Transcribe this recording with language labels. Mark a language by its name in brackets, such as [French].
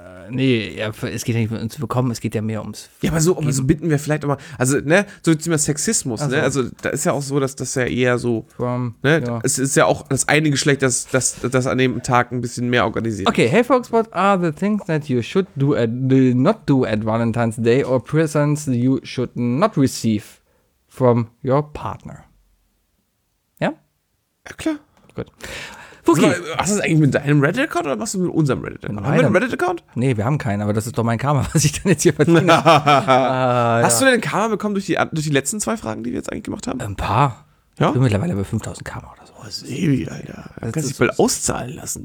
[German] Nee, es geht ja nicht um zu bekommen, es geht ja mehr ums. Ja, aber so bitten wir vielleicht immer. Also, ne, so zum Sexismus, ne? Also, da ist ja auch so, dass das ja eher so. Es ist ja auch das eine Geschlecht, das an dem Tag ein bisschen mehr organisiert. [English] Okay, hey, folks, what are the things that you should do at, not do at Valentine's Day or presents you should not receive from your partner? [German] Ja? Ja, klar. Gut. Okay. So, hast du das eigentlich mit deinem Reddit-Account oder machst du mit unserem Reddit-Account? Haben wir einen Reddit-Account? Nee, wir haben keinen, aber das ist doch mein Karma, was ich dann jetzt hier verdiene. Hast du denn Karma bekommen durch die letzten zwei Fragen, die wir jetzt eigentlich gemacht haben? Ein paar. Ja? Ich bin mittlerweile bei 5000 Karma oder so. Oh, Sebi, Alter. Du kannst dich mal auszahlen lassen.